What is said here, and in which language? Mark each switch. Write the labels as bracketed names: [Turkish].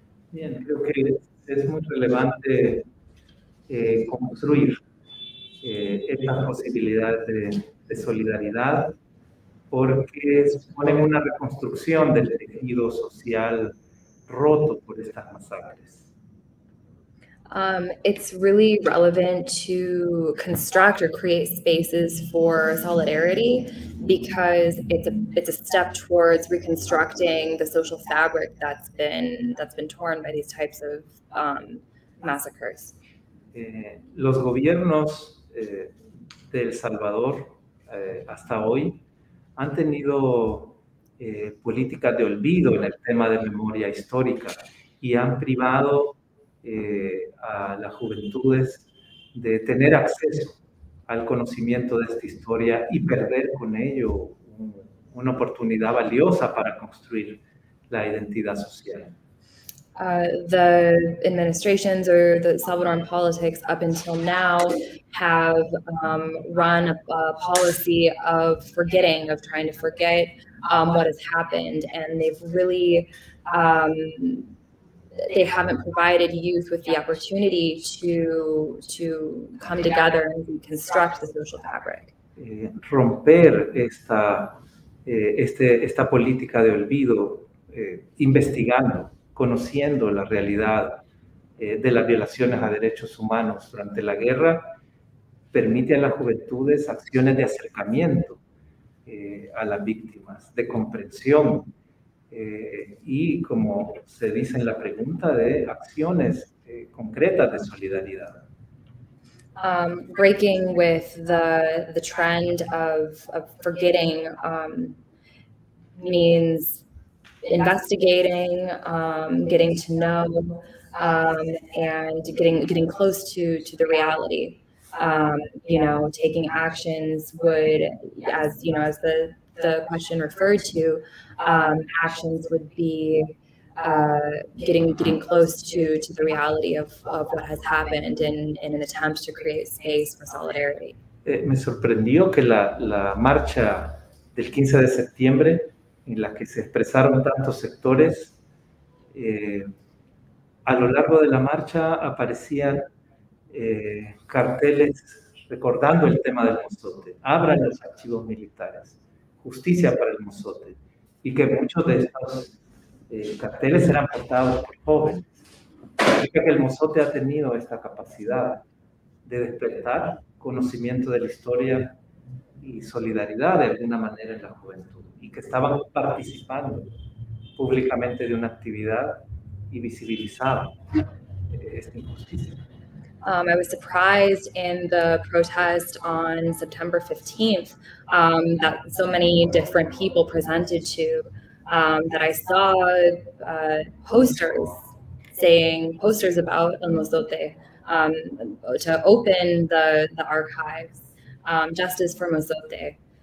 [Spanish] Bien, creo que es muy relevante construir estas posibilidades de solidaridad porque suponen una reconstrucción del tejido social roto por estas masacres. [English] It's really relevant to construct or create spaces for solidarity because it's a step towards reconstructing the social fabric that's been torn by these types of massacres. [Spanish] Los gobiernos de El Salvador hasta hoy han tenido políticas de olvido en el tema de memoria histórica y han privado a las juventudes de tener acceso al conocimiento de esta historia y perder con ello una oportunidad valiosa para construir la identidad social. [English] The administrations or the Salvadoran politics up until now have run a policy of forgetting, of trying to forget what has happened, and they've really they haven't provided youth with the opportunity to come together and reconstruct the social fabric. [Spanish] Romper esta política de olvido, investigando, conociendo la realidad de las violaciones a derechos humanos durante la guerra, permite a las juventudes acciones de acercamiento a las víctimas, de comprensión, y como se dice en la pregunta, de acciones concretas de solidaridad. [English] Breaking with the trend of forgetting means investigating, getting to know, and getting close to the reality. You know, taking actions would, as you know, as the question referred to, actions would be getting close to the reality of what has happened in an attempt to create space for solidarity. [Spanish] Me sorprendió que la marcha del 15 de septiembre, en la que se expresaron tantos sectores, a lo largo de la marcha aparecían carteles recordando el tema del Mozote. Abran los archivos militares. Justicia para el Mozote. Y que muchos de estos carteles eran portados por jóvenes. Que el Mozote ha tenido esta capacidad de despertar conocimiento de la historia y solidaridad de alguna manera en la juventud. Y que estaban participando públicamente de una actividad y visibilizando esta injusticia. [English] I was surprised in the protest on September 15th that so many different people presented to, that I saw posters about El Mozote to open the archives, Justice for Mozote.